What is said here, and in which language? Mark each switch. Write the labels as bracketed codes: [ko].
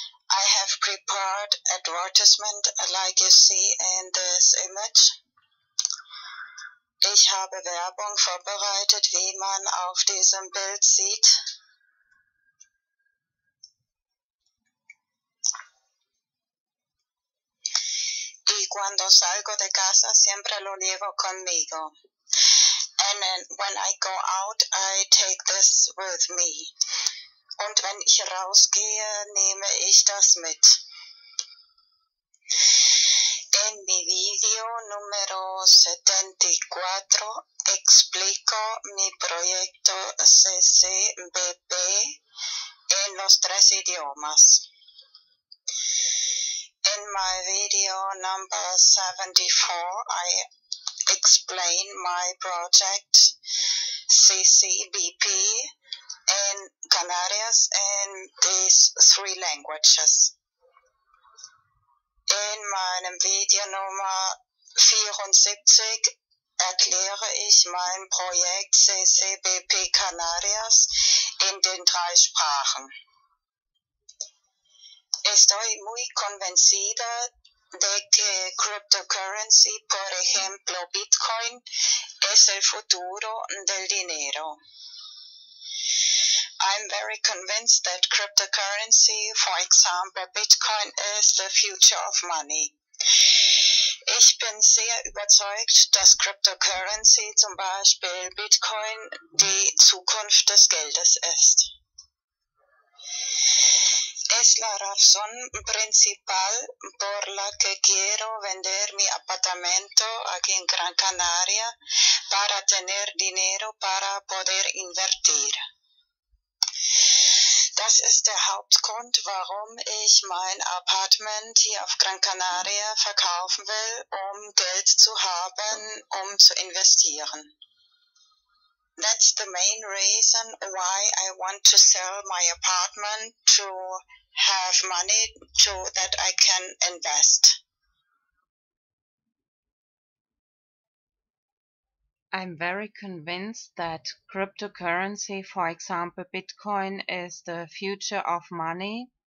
[en] I have prepared advertisement like you see in this image. [de] Ich habe Werbung vorbereitet, wie man auf diesem Bild sieht. [es] Cuando salgo de casa, siempre lo llevo conmigo. [en] And then when I go out, I take this with me. [de] Und wenn ich rausgehe, nehme ich das mit. [es] En mi video número 74 explico mi proyecto CCBP en los tres idiomas. [en] In my video number 74, I explain my project CCBP in Canarias in these three languages. In my video number [de] 74 erkläre ich mein Projekt CCBP Canarias in den drei Sprachen. [es] Estoy muy convencida de que cryptocurrency, por ejemplo Bitcoin, es el futuro del dinero. [en] I'm very convinced that cryptocurrency, for example Bitcoin, is the future of money. [de] Ich bin sehr überzeugt, dass Cryptocurrency, zum Beispiel Bitcoin, die Zukunft des Geldes ist. [es] Es la razón principal por la que quiero vender mi apartamento aquí en Gran Canaria para tener dinero para poder invertir. [de] Das ist der Hauptgrund, warum ich mein Apartment hier auf Gran Canaria verkaufen will, um Geld zu haben, um zu investieren. [en] That's the main reason why I want to sell my apartment to have money so that I can invest. I'm very convinced that cryptocurrency, for example Bitcoin, is the future of money.